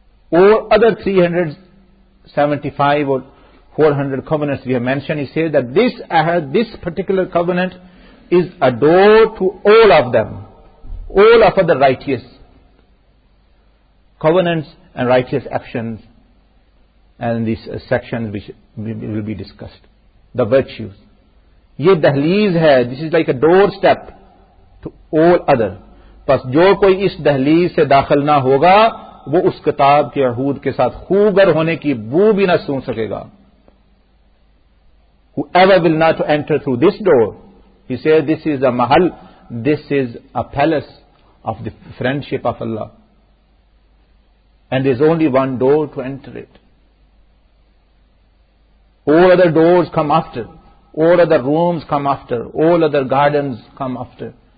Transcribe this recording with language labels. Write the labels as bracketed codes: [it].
[en] Or other 375 or 400 covenants we have mentioned, he says that this ahad, this particular covenant, is a door to all of them. All of other righteous covenants and righteous actions, and these sections which will be discussed, the virtues. [ur] Ye dahliz hai, [en] this is like a doorstep to all other. [ur] پس جو کوئی اس دہلیز سے داخل نہ ہوگا وہ اس کتاب کے عہود کے ساتھ خوگر ہونے کی بو بھی نہ سون سکے گا. [en] Whoever will not enter through this door, he says, this is a mahal, this is a palace of the friendship of Allah. And there is only one door to enter it. All other doors come after, all other rooms come after, all other gardens come after.